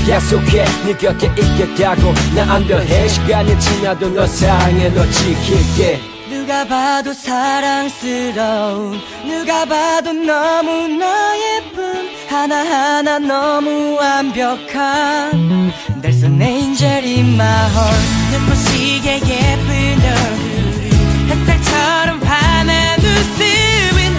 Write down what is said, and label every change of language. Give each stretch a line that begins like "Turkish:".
Korean: 약속해 네 곁에 있겠다고 나 안 변해. 시간이 지나도 너 사랑해 너 지킬게. 누가 봐도 사랑스러운, 누가 봐도 너무나 예쁜, 하나하나 너무 완벽한.
English: There's an angel in my heart.
Korean: 눈부시게 예쁜 얼굴이 햇살처럼 환한 웃음.